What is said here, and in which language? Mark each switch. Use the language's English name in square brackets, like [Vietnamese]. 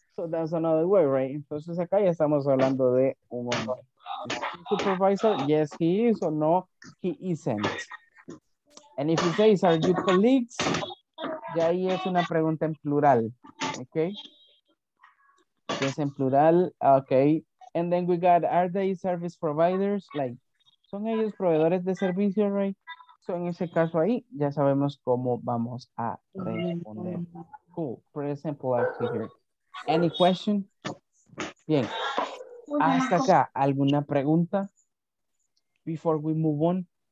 [English] So that's another way, right? [Spanish] Entonces acá ya estamos hablando de un hombre. [English] Supervisor, yes, he is, or no, he isn't. And if he says, are you colleagues? [Spanish] Ya ahí es una pregunta en plural, [English] okay? [Spanish] Es en plural, okay. [English] And then we got, are they service providers? Like, [Spanish] son ellos proveedores de servicio, [English] right? So [Spanish] en ese caso ahí, ya sabemos cómo vamos a responder. [English] Cool, pretty simple actually here. Any question? [Spanish] Bien, hasta acá, ¿alguna pregunta? [English] Before we move on.